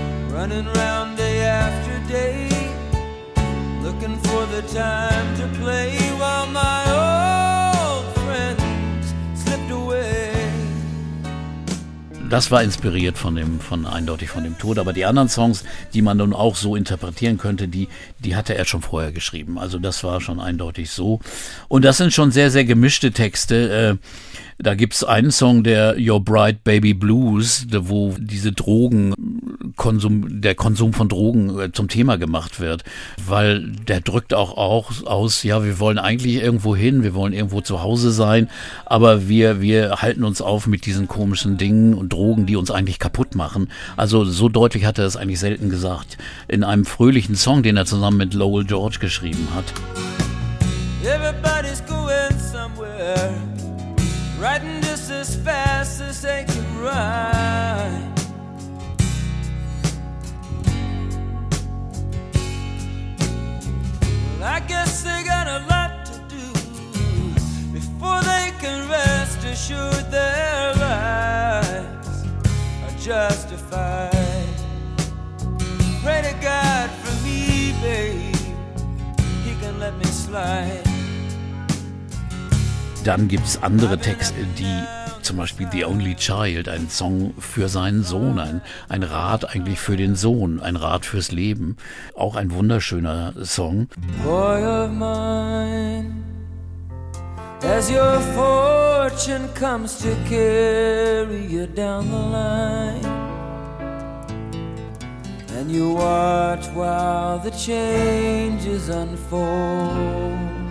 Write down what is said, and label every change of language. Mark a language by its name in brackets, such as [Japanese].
[English] running round day after day, looking for the time to play while my old friends slipped away. [German] Das war inspiriert von dem Tod, aber die anderen Songs, die man nun auch so interpretieren könnte, die hatte er schon vorher geschrieben. Also das war schon eindeutig so. Und das sind schon sehr, sehr gemischte Texte. Da gibt's einen Song, der Your Bright Baby Blues, wo diese Konsum von Drogen zum Thema gemacht wird, weil der drückt auch aus, ja, wir wollen eigentlich irgendwo hin, wir wollen irgendwo zu Hause sein, aber wir halten uns auf mit diesen komischen Dingen und Drogen, die uns eigentlich kaputt machen. Also so deutlich hat er es eigentlich selten gesagt. In einem fröhlichen Song, den er zusammen mit Lowell George geschrieben hat. [English] Everybody's going somewhere. Riding just as fast as they can ride. Well, I guess they got a lot to do before they can rest assured their lives are justified. Pray to God for me, babe, he can let me slide. [German] Dann gibt es andere Texte, die zum Beispiel The Only Child, ein Song für seinen Sohn, ein Rat eigentlich für den Sohn, ein Rat fürs Leben. Auch ein wunderschöner Song. [English] Boy of mine, as your fortune comes to carry you down the line, and you watch while the changes unfold.